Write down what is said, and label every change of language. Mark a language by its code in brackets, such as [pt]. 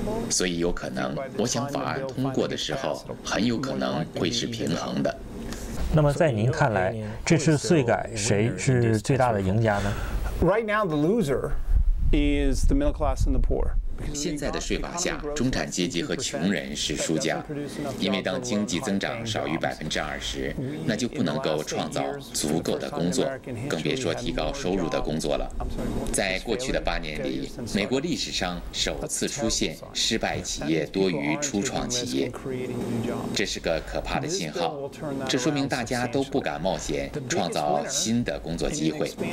[zh] 所以有可能，我想法案通过的时候，很有可能会是平衡的。那么在您看来，这次税改谁是最大的赢家呢？ [en] Right now, the loser is the middle class and the poor. [zh] 现在的税法下，中产阶级和穷人是输家，因为当经济增长少于20%，那就不能够创造足够的工作，更别说提高收入的工作了。在过去的8年里，美国历史上首次出现失败企业多于初创企业，这是个可怕的信号，这说明大家都不敢冒险创造新的工作机会。